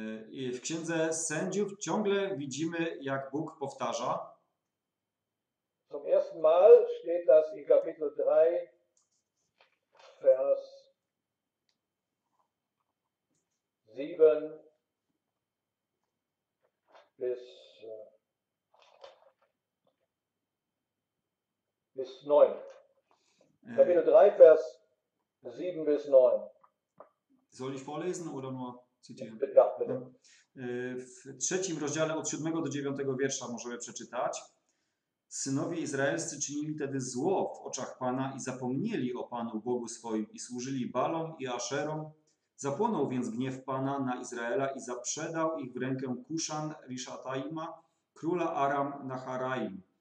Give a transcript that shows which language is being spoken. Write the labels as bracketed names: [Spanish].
[Polish] I w Księdze Sędziów ciągle widzimy, jak Bóg powtarza. [German] Zum ersten Mal steht das in Kapitel 3, Vers 7 bis 9. Kapitel 3, Vers 7 bis 9. Soll ich vorlesen oder nur zitieren? Ja, bitte. [Polish] W trzecim rozdziale od 7 do 9 wiersza możemy przeczytać. Synowie izraelscy czynili tedy zło w oczach Pana i zapomnieli o Panu Bogu swoim i służyli Baalom i Aszerom. Zapłonął więc gniew Pana na Izraela i zaprzedał ich w rękę Kuszan Riszataima, króla Aram Naharaim.